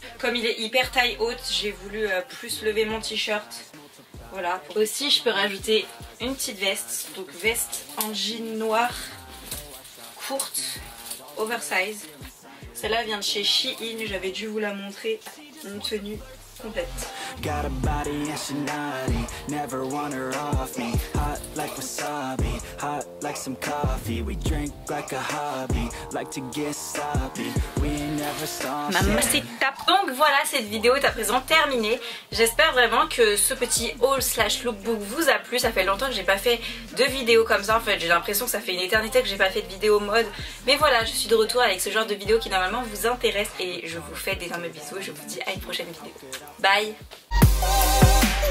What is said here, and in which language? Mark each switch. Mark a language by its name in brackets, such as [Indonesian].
[French] Comme il est hyper taille haute, j'ai voulu plus lever mon t-shirt. Voilà. Aussi, je peux rajouter une petite veste, donc veste en jean noir, courte, oversize. Celle-là vient de chez Shein, j'avais dû vous la montrer, une tenue complète. [English] Got a body and she naughty, never want her off me. Hot like wasabi, hot like some coffee. We drink like a hobby, like to get sloppy. We never stop. [French] Maman, c'est top. Donc voilà, cette vidéo est à présent terminée. J'espère vraiment que ce petit haul slash lookbook vous a plu. Ça fait longtemps que j'ai pas fait de vidéo comme ça. En fait, j'ai l'impression que ça fait une éternité que j'ai pas fait de vidéo mode. Mais voilà, je suis de retour avec ce genre de vidéo qui normalement vous intéresse. Et je vous fais d'énormes bisous et je vous dis à une prochaine vidéo. Bye. Oh,